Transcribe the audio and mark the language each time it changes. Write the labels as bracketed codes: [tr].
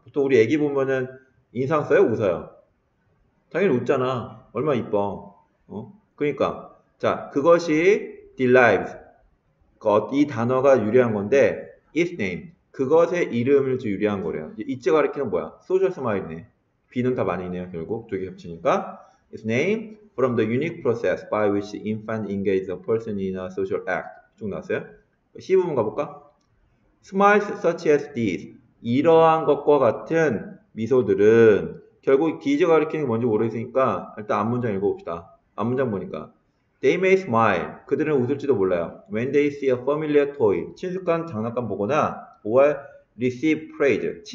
[ko] 보통 우리 애기 보면은 인상 써요? 웃어요? 당연히 웃잖아. 얼마나 이뻐. 그러니까 자, 그것이 derives. 이 단어가 유래한 건데 its name. 그것의 이름을 유래한 거래요. 이째 가리키는 뭐야? [en] Social smile [ko] 이네. B는 답 아니네요. 결국 두개 겹치니까. [en] Its name from the unique process by which infant engages a person in a social act. [ko] 쭉 나왔어요. C 부분 가볼까? [en] Smiles such as these. [ko] 이러한 것과 같은 미소들은 결국 기저 가리키는 게 뭔지 모르겠으니까 일단 앞문장 읽어봅시다. 앞문장 보니까 [en] They may smile. [ko] 그들은 웃을지도 몰라요. [en] When they see a familiar toy. [ko] 친숙한 장난감 보거나 [en] or receive praise.